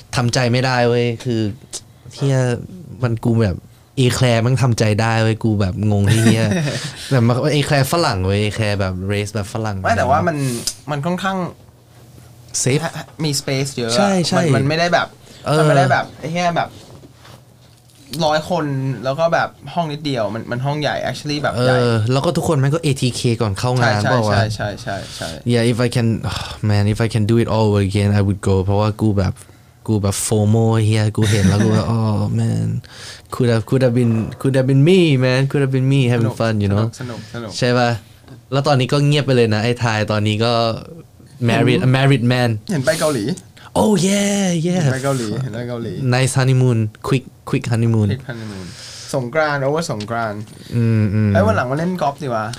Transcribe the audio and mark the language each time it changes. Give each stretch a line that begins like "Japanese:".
Thai: ทำใจไม่ได้เว้ยคือเฮียมันกูแบบเอแคลร์มันทำใจได้เว้ยกูแบบงงเฮียแบบเอแคลร์ฝรั่งเว้ยเอแคลร์แบบเรสแบบฝรั่ง ไม่แต่ว่ามันค่อนข้าง เซฟ มีสเปซเยอะ ใช่ใช่ มันไม่ได้แบบมัน ไม่ได้แบบเฮียแบบร้อยคนแล้วก็แบบห้องนิดเดียวมันห้องใหญ่ actually แบบใหญ่แล้วก็ทุกคนมันก็ ATK ก่อนเข้างาน ใช่ใช่ใช่ใช่
English: yeah if I can man if I can do it all over again I would go
Thai: เพราะว่ากูแบบ
English: FOMO here
Thai: กูเห็นแล้วกูแบบ
English: oh man could have been me man could have been me having fun you know
Thai: ใ ช่ป่ะแล้วตอนนี้ก็เงียบไปเลยนะไอ้ไทยตอนนี้ก็
English: married man
Thai: เห็นไปเกาหลี
English: oh yeah
Thai: ไปเกาหลี
English: nice honeymoon quick honeymoon
Thai: สงกรานต์ over สงกรานต์อืม ไอ้วันหลังมาเล่นกอล์ฟดิวะ